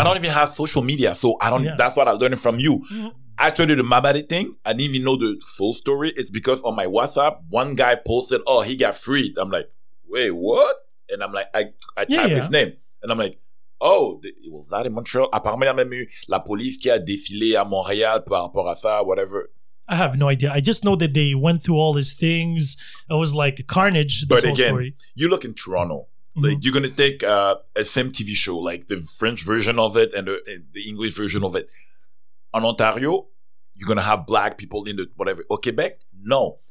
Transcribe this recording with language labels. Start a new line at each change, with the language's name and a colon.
English: And I don't even have social media, so I don't. Yeah. That's what I learned from you. Actually, the Mabari thing, I didn't even know the full story. It's because on my WhatsApp, one guy posted, oh, he got freed. I'm like, wait, what? And I'm like, I type his name. And I'm like, oh, it was that in Montreal?
French: Apparemment, il y a même eu la police qui a défilé à Montréal par rapport à ça, whatever.
English: I have no idea. I just know that they went through all his things. It was like carnage. This but again, whole story. You look in Toronto. Like you're going to take a same TV show, like the French version of it and the English version of it. In Ontario, you're going to have Black people in the whatever. Or Quebec, no.